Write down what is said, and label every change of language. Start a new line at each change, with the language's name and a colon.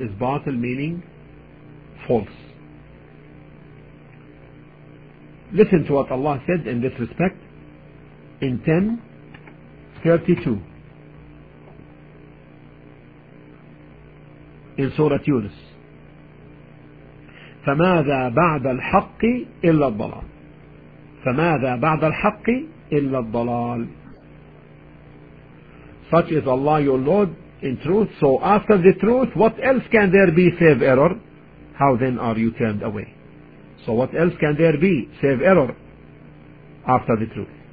English: Is batil meaning false. Listen to what Allah said in this respect in 10:32 in Surah Yunus.
Arabic: فماذا بعد الحق إلا الضلال. فماذا بعد الحق إلا الضلال.
English: Such is Allah your Lord in truth. So after the truth, what else can there be save error? How then are you turned away? So what else can there be save error after the truth?